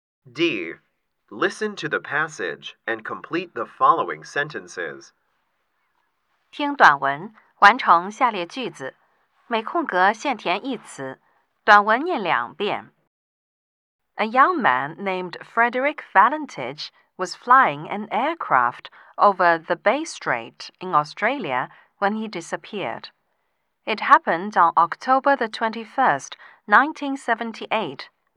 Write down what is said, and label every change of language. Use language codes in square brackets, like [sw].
[en] D. Listen to the passage and complete the following sentences. [zh] 听短文，完成下列句子，每空格限填一词，短文念两遍。 [en] A young man named Frederick Valentich was flying an aircraft over the Bay Strait in Australia when he disappeared. It happened on October the 21st, 1978.